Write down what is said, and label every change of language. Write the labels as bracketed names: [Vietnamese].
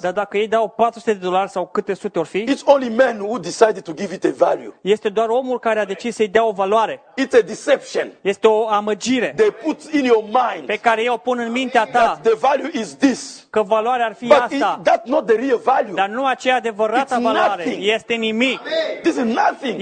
[Romanian] dar dacă ei dau $400 sau câte sute or fi, [English] it's only man who decided to give it a value. [Romanian] Este doar omul care a decis să-i dea o valoare. [English] It's a deception. [Romanian] Este o amăgire. [English] They put in your mind, [Romanian] pe care ei o pun în mintea ta, [English] that the value is this, [Romanian] că valoarea ar fi [English] but [Romanian] asta. [English] That's not the real value. [Romanian] Dar nu aceea adevărata [English] it's [Romanian] valoare. [English] Nothing. [Romanian] Este nimic. [English] Amen. This is nothing.